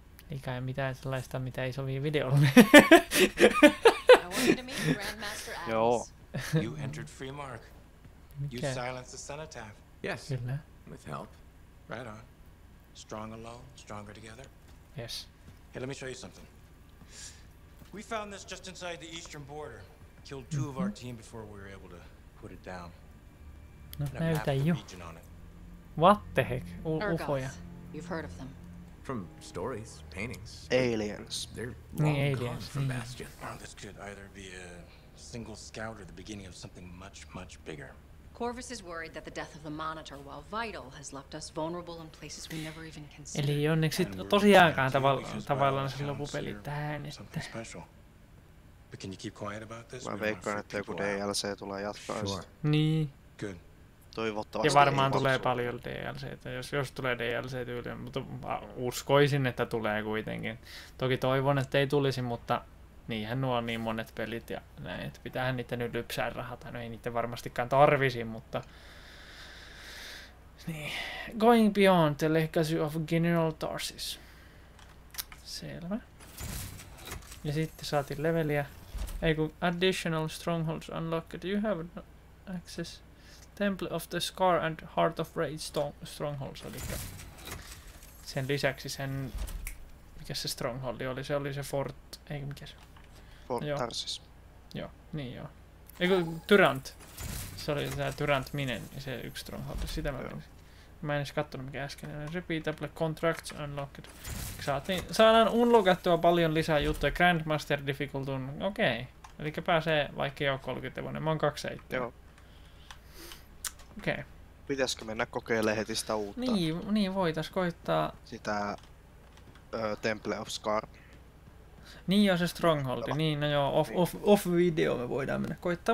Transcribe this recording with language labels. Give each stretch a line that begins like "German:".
Finnish: Ei kai mitään sellaista, mitä ei sovi videolle.
English: I want you to meet Grandmaster Alice. You entered Freemark. You silenced the Cenotaph. Yes.
Finnish: Kyllä.
English: With help. Right on. Strong alone, stronger together. Yes. Hey, let me show you something. We found this just inside the eastern border. Killed two of our team before we were able to put it down.
Finnish: No, näytä jo.
English: What the heck?
Finnish: Ufoja.
English: You've heard of them. From stories, paintings. Aliens. They're long aliens. Gone from Bastion. Mm. Oh, this could either be a single scout or the beginning of something much, much bigger. Corvus is worried that the death of the Monitor, while vital, has left us vulnerable in places we never even considered.
Finnish: Eli onneksi tosiaankaan tavallaan se lopupeli tähän, että.
English: But can you keep quiet about this?
Finnish: Mä veikkaan, että joku DLC tulee jatkaa. Niin.
English: Good.
Finnish: toivottavasti. Ja varmaan tulee paljon DLC:tä, jos tulee DLC-tyyliä, mutta uskoisin, että tulee kuitenkin. Toki toivon, että ei tulisi, mutta niinhän nuo on niin monet pelit ja näin, että pitäähän niitä nyt lypsää rahaa, tai no ei niitä varmastikaan tarvisi, mutta...
English: Niin. Going beyond the legacy of General Tarsis. Selvä.
Finnish: Ja sitten saatiin leveliä.
English: Eiku, additional strongholds unlocked. You have access Temple of the Scar and Heart of Rage strongholds.
Finnish: Elikkä sen lisäksi sen... Mikä se strongholdi oli? Se oli se Fort... Ei, mikä se? Fort Tarsis. Joo, niin joo. Eiku, Tyrant. Se oli tää Tyrant Minen, se yksi stronghold. Sitä mä menisin. Mä en edes kattonut mikä äsken, niin
English: repeatable contracts unlocked.
Finnish: Saadaan unlockattua paljon lisää juttuja.
English: Grandmaster difficulty, okei.
Finnish: Eli pääsee vaikka jo 30 vuonna, mä oon 27. Joo. Okei. Pitäisikö mennä kokeilemaan heti sitä uutta? Niin, voitais koittaa. Sitä Temple of Scar. Niin on se stronghold, niin no joo, off-video me voidaan mennä koittaa.